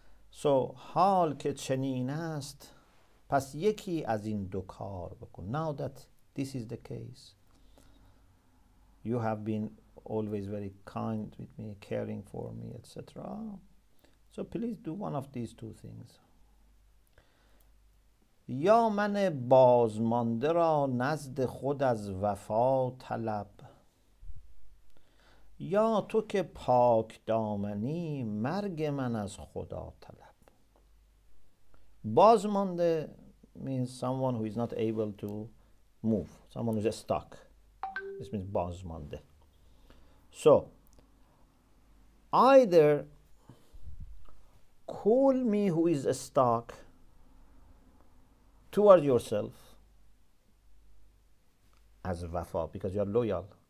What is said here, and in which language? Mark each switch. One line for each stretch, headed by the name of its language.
Persian: So, hal ke chenin ast, pas yeki az in dukar bakun.
English: Now that this is the case, you have been always very kind with me, caring for me, etc. So please do one of these two things.
Persian: یا من بازمانده را نزد خود از وفا طلب, یا تو که پاک دامنی مرگ من از خدا طلب.
English: بازمانده means someone who is not able to move, someone who's stuck. This means bazmande. So, either call me who is stuck towards yourself as wafa, because you are loyal.